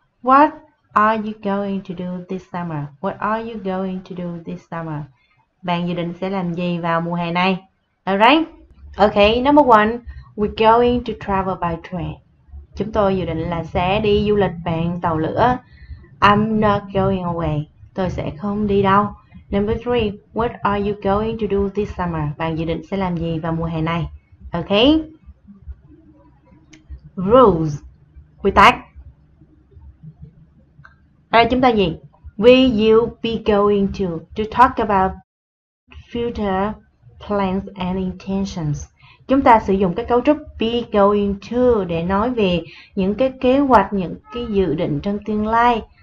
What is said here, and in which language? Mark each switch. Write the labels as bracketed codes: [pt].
[en] What are you going to do this summer? [vi] Bạn dự định sẽ làm gì vào mùa hè này? [en] Alright. Okay. Number one. We're going to travel by train. [vi] Chúng tôi dự định là sẽ đi du lịch bằng tàu lửa. [en] I'm not going away. [vi] Tôi sẽ không đi đâu. [en] Number three, what are you going to do this summer? [vi] Bạn dự định sẽ làm gì vào mùa hè này? [en] Okay. Rules. [vi] Quy tắc. Đây chúng ta gì? [en] We will be going to talk about future plans and intentions. [vi] Chúng ta sử dụng cái cấu trúc be going to để nói về những cái kế hoạch, những cái dự định trong tương lai.